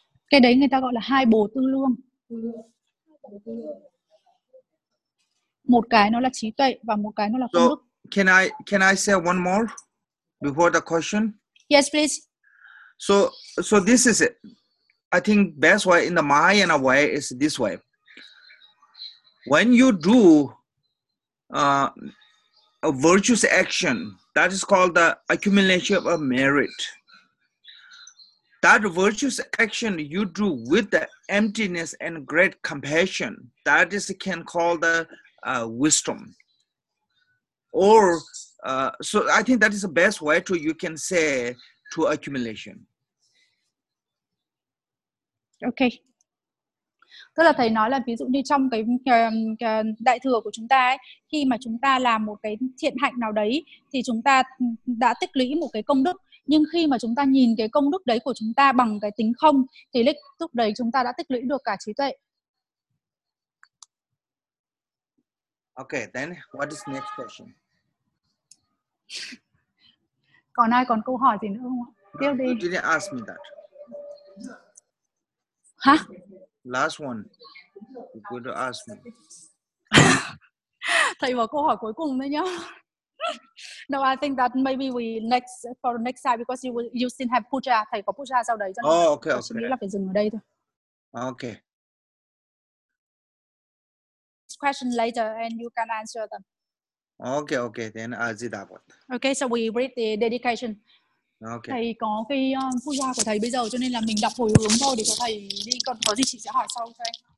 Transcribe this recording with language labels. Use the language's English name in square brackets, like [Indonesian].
[Vietnamese] Cái đấy người ta gọi là hai bồ tư luông. Một cái nó là trí tuệ và một cái nó là công đức. [English] Can I say one more before the question? Yes, please. So this is it. I think best way in the Mahayana way is this way. When you do a virtuous action, that is called the accumulation of merit. That virtuous action you do with the emptiness and great compassion, that is can call the wisdom. Or so I think that is the best way to you can say to accumulation. OK. [Vietnamese] Tức là thầy nói là ví dụ như trong cái đại thừa của chúng ta ấy, khi mà chúng ta làm một cái thiện hạnh nào đấy thì chúng ta đã tích lũy một cái công đức. Nhưng khi mà chúng ta nhìn cái công đức đấy của chúng ta bằng cái tính không thì lúc đấy chúng ta đã tích lũy được cả trí tuệ. [English] OK. Then what is next question? [Vietnamese] Còn ai còn câu hỏi gì nữa không ạ? Tiếp đi. [English] You didn't ask me that. Huh? Last one. You're going to ask me. [Vietnamese] Thầy vào câu hỏi cuối cùng đấy nhá. [English] No, I think that maybe we next for the next time because you still have puja. [Vietnamese] Thầy có puja sau đấy. [English] Oh, okay. [Vietnamese] Tôi nghĩ là phải dừng ở đây thôi. [English] Okay. Question later and you can answer them. Okay, okay. Then Ajidabot. Okay, so we read the dedication. Okay. [Vietnamese] Thầy có cái puja của thầy bây giờ cho nên là mình đọc hồi hướng thôi để cho thầy đi, còn có gì chị sẽ hỏi sau cho em.